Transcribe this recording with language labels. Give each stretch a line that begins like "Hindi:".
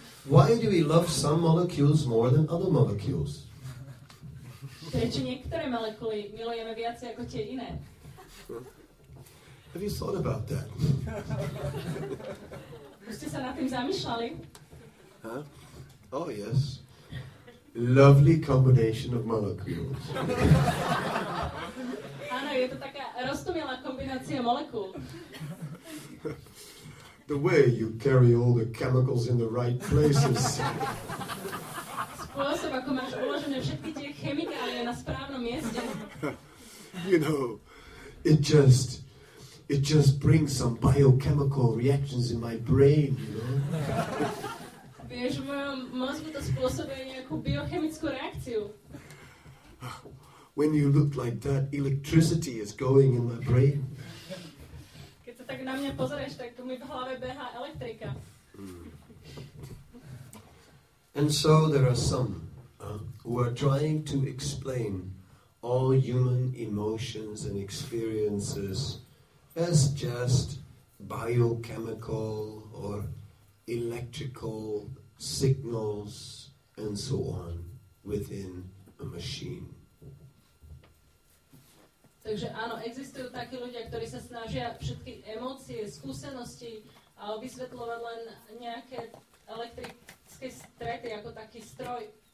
English: Why do we love some molecules more than other molecules?
Slovak: Prečo niektoré molekuly milujeme viac ako tie iné?
English: Have you thought about that?
Slovak: Už ste sa nad tým zamýšľali?
English: Huh? Oh, yes. Lovely combination of molecules.
Slovak: Áno, je to taká roztomilá kombinácia molekúl.
English: The way you carry all the chemicals in the right places.
Slovak: Spôsob, ako máš uložené všetky tie chemikálie na správnom mieste.
English: You know, it just brings some biochemical reactions in my brain, you know.
Slovak: Vieš, v mozgu to spôsobuje nejakú biochemickú reakciu.
English: When you look like that, electricity is going in my brain.
Slovak: Keď sa tak na mňa pozrieš, tak tu mi v hlave behá elektrika.
English: And so there are some who are trying to explain all human emotions and experiences as just biochemical or electrical signals and so on within a machine.
Slovak: Takže áno, existujú takí ľudia, ktorí sa snažia všetky emócie, skúsenosti a vysvetľovať len nejaké elektrické strety ako taký stroj.